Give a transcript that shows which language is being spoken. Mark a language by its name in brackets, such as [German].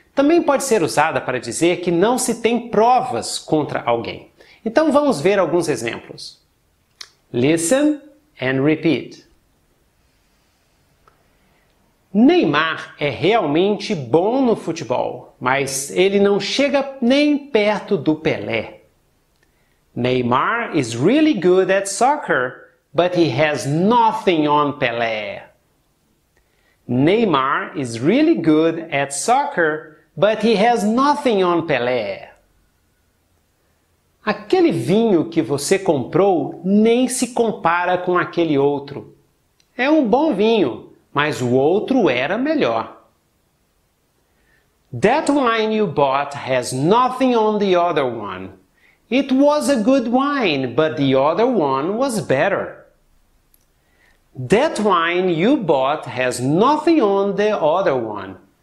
[Portuguese] Também pode ser usada para dizer que não se tem provas contra alguém. Então vamos ver alguns exemplos. [English] Listen and repeat. [Portuguese] Neymar é realmente bom no futebol, mas ele não chega nem perto do Pelé. [English] Neymar is really good at soccer, but he has nothing on Pelé. Neymar is really good at soccer, but he has nothing on Pelé. [Portuguese] Aquele vinho que você comprou nem se compara com aquele outro. É um bom vinho, mas o outro era melhor. [English] That wine you bought has nothing on the other one. It was a good wine, but the other one was better. That wine you bought has nothing on the other one.